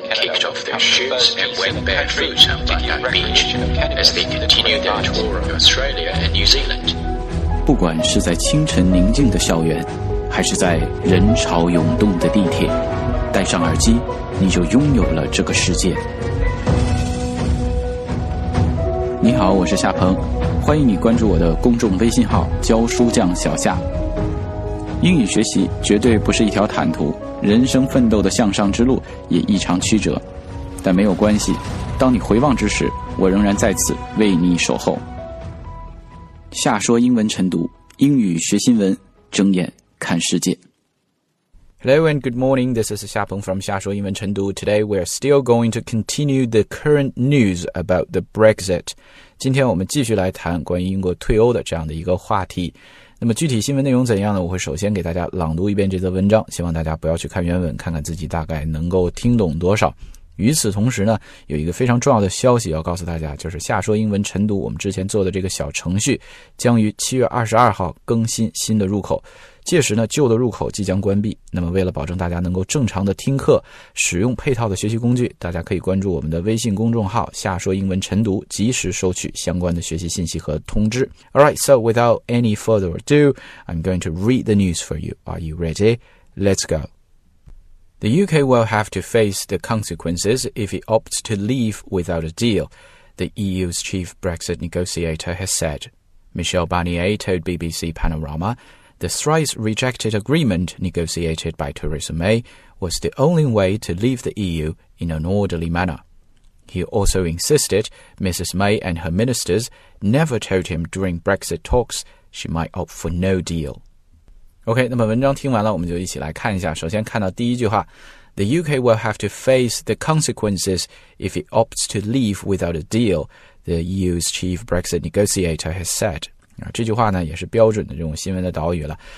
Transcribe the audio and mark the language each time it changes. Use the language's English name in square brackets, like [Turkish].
[English] and Meghan kicked off their shoes and went barefoot on Bundang Beach as they continued their tour of Australia and New Zealand. [Chinese] 不管是在清晨宁静的校园，还是在人潮涌动的地铁，戴上耳机，你就拥有了这个世界。你好，我是夏鹏，欢迎你关注我的公众微信号教书匠小夏。英语学习绝对不是一条坦途，人生奋斗的向上之路也异常曲折，但没有关系，当你回望之时，我仍然在此为你守候。夏说英文晨读，英语学新闻，睁眼看世界。 [English] Hello and good morning, this is Xia Peng from 夏说英文晨读。 Today we are still going to continue the current news about the Brexit. [Chinese] 今天我们继续来谈关于英国退欧的这样的一个话题。那么具体新闻内容怎样呢？我会首先给大家朗读一遍这则文章，希望大家不要去看原文，看看自己大概能够听懂多少。与此同时呢，有一个非常重要的消息要告诉大家，就是夏说英文晨读我们之前做的这个小程序将于7月22号更新新的入口，届时呢，旧的入口即将关闭。那么为了保证大家能够正常的听课，使用配套的学习工具，大家可以关注我们的微信公众号夏说英文晨读，及时收取相关的学习信息和通知。 [English] Alright, so without any further ado, I'm going to read the news for you. Are you ready? Let's go. The UK will have to face the consequences if it opts to leave without a deal, the EU's chief Brexit negotiator has said. Michel Barnier told BBC Panorama,The thrice-rejected agreement negotiated by Theresa May was the only way to leave the EU in an orderly manner. He also insisted Mrs. May and her ministers never told him during Brexit talks she might opt for no deal. [Chinese] OK, 那么文章听完了，我们就一起来看一下。首先看到第一句话， [English] The UK will have to face the consequences if it opts to leave without a deal, the EU's chief Brexit negotiator has said. [Chinese] 这句话呢也是标准的这种新闻的导语了。